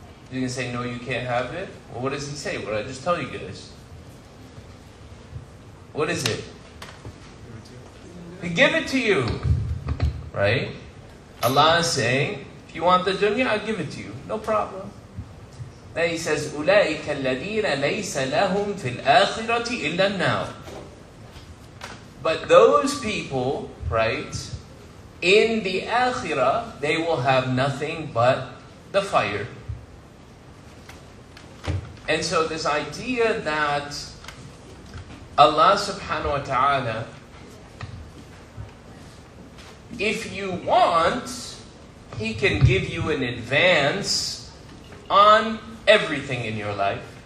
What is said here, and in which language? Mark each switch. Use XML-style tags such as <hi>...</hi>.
<en>Is he going to say, no, you can't have it? Well, what does he say? What did I just tell you guys? What is it? He give it to you. Right? Allah is saying, if you want the dunya, I'll give it to you. No problem. Then he says,</en> <ar>أُولَٰئِكَ الَّذِينَ لَيْسَ لَهُمْ فِي الْآخِرَةِ إِلَّا النَّارِ.</ar> <en>But those people, right, in the Akhirah, they will have nothing but the fire. And so this idea that Allah subhanahu wa ta'ala, if you want, He can give you an advance on everything in your life.</en>